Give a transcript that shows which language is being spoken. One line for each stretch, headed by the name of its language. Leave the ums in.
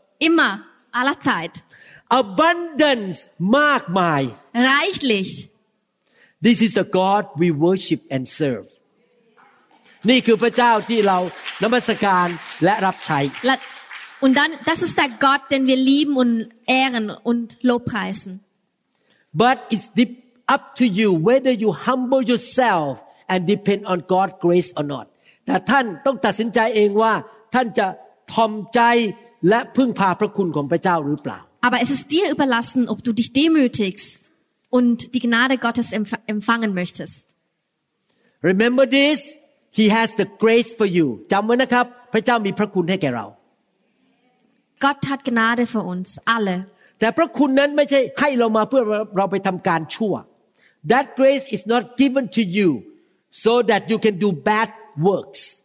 German: immer aller Zeit
English: abundance มากมาย reichlich this is the God we worship and serve
Thai: นี่คือพระเจ้าที่เรานมัสการและรับใช้
German: Und dann, das ist der Gott, den wir lieben und ehren und lobpreisen.
English: But it's deep up to you whether you humble yourself and depend on God's grace or not.
Thai: แต่ท่านต้องตัดสินใจเองว่าท่านจะทอมใจและพึ่งพาพระคุณของพระเจ้าหรือเปล่า
German: Aber es ist dir überlassen, ob du dich demütigst und die Gnade Gottes empfangen möchtest.
English: Remember this. He has the grace for you.
Thai: จำไว้นะครับ พระเจ้ามีพระคุณให้แก่เรา
German: Gott hat Gnade für uns alle.
Thai: แต่พระคุณนั้นไม่ใช่ให้เรามาเพื่อเราไปทำการชั่ว
English: That grace is not given to you so that you can do bad works.